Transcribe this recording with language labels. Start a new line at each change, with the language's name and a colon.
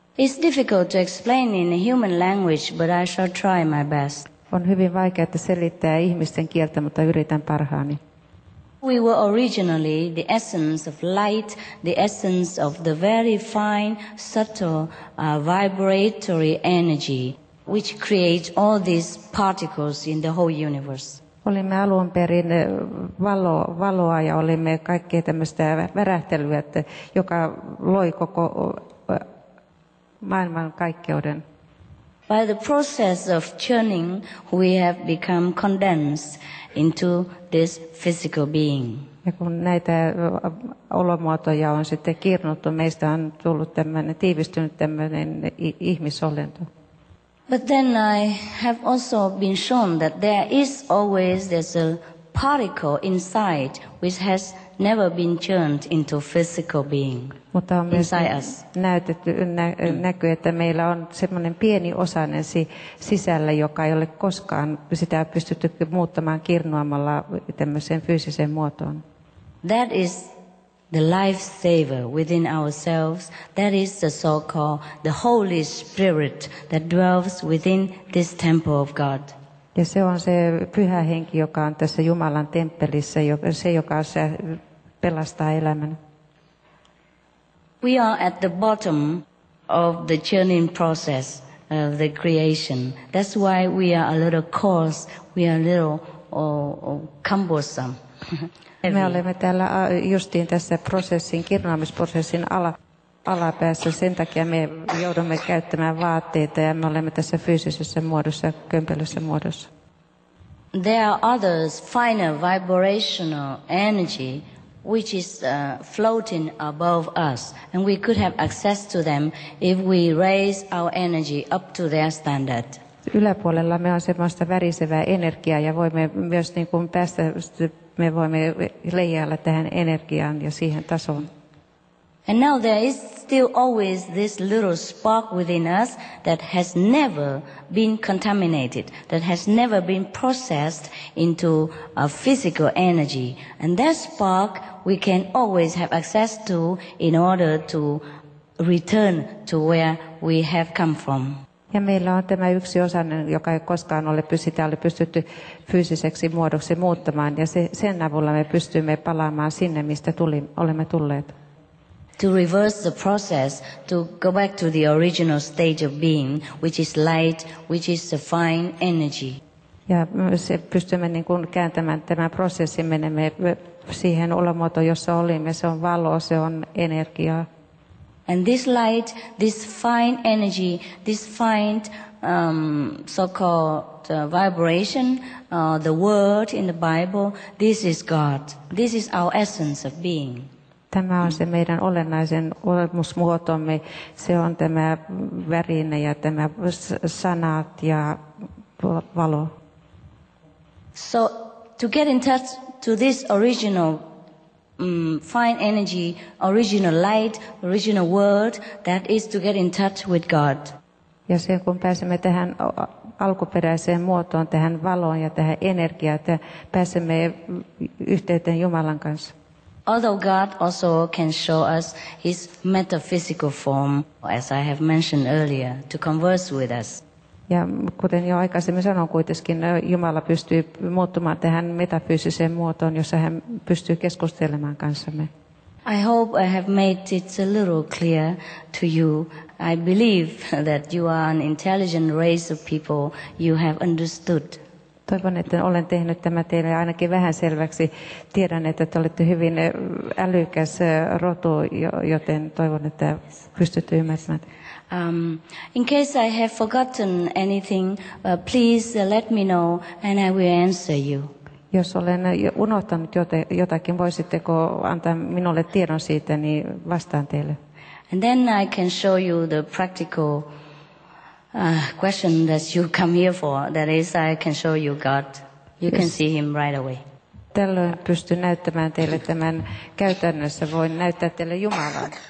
English: It's difficult to explain in human language, but I shall try my best.
Finnish: On hyvin vaikea, että selittää ihmisten kieltä, mutta yritän parhaani.
English: We were originally the essence of light, the essence of the very fine, subtle, vibratory energy, which creates all these particles in the whole universe.
Finnish: Olimme alun perin valoa ja olimme kaikkea tämmöistä värähtelyä, joka loi koko maailmankaikkeuden.
English: By the process of churning, we have become condensed into this physical being.
Finnish: Ja kun näitä olomuotoja on sitten kirnuttu, meistä on tullut tämmöinen, tiivistynyt tämmöinen ihmisolento.
English: But then I have also been shown that there is always there's a particle inside which has never been churned into physical being.
Finnish: Mutta on myös näytetty, näkyy, että meillä on semmoinen pieni osanen sisällä, joka ei ole koskaan sitä pystytty muuttamaan kirnuamalla tämmöiseen fyysiseen muotoon.
English: That is the life saver within ourselves. That is the so-called the Holy Spirit that dwells within this temple of God.
Finnish: Ja se on se pyhä henki, joka on tässä Jumalan temppelissä, se joka se pelastaa elämän.
English: We are at the bottom of the churning process of the creation. That's why we are a little coarse, we are a little cumbersome.
Finnish: Me olemme täällä justiin tässä prosessin, kirnaamisprosessin alapäässä. Sen takia me joudumme käyttämään vaatteita ja me olemme tässä fyysisessä muodossa, kömpelössä muodossa.
English: There are others, finer vibrational energy, which is floating above us, and we could have access to them if we raise our energy up to their standard.
Finnish: Yläpuolella me on semmoista värisevää energiaa ja voimme myös niin kuin päästä, me voimme leijailla tähän energiaan ja siihen tasoon.
English: And now there is still always this little spark within us that has never been contaminated, that has never been processed into a physical energy. And that spark we can always have access to in order to return to where we have come from.
Finnish: Ja meillä on tämä yksi osa, joka ei koskaan ole pystytty fyysiseksi muodoksi muuttamaan, ja sen avulla me pystymme palaamaan sinne, mistä olemme tulleet.
English: To reverse the process, to go back to the original stage of being, which is light, which is the fine energy.
Finnish: Ja me pystymme niin kuin kääntämään tämän prosessin, menemme siihen olomuotoon, jossa olimme. Se on valo, se on energiaa.
English: And this light, this fine energy, this fine so-called vibration, the word in the Bible, this is God. This is our essence of being.
Finnish: Tämä on se meidän olennaisen olemusmuotomme. Se on tämä värine ja tämä sanat ja valo.
English: So to get in touch to this original fine energy, original light, original word, that is to get in touch with God.
Finnish: Ja sen kun pääsemme tähän alkuperäiseen muotoon, tähän valoon ja tähän energiaan, että pääsemme yhteyteen Jumalan kanssa.
English: Although God also can show us his metaphysical form, as I have mentioned earlier, to converse with us.
Finnish: Ja kuten jo aikaisemmin sanoin, kuitenkin Jumala pystyy muuttumaan tähän metafyysiseen muotoon, jossa hän pystyy keskustelemaan kanssamme.
English: I hope I have made it a little clear to you. I believe that you are an intelligent race of people. You have understood.
Finnish: Toivon, että olen tehnyt tämä teille ainakin vähän selväksi. Tiedän, että te olette hyvin älykäs rotu, joten toivon, että pystytte ymmärtämään.
English: In case I have forgotten anything, please let me know and I will answer you.
Finnish: Jos olen unohtanut jotakin, voisitteko antaa minulle tiedon siitä, niin vastaan teille.
English: And then I can show you the practical question that you come here for. That is, I can show you God. You can see him right away.
Finnish: Tällöin pystyn näyttämään teille tämän käytännössä. Voin näyttää teille Jumalan.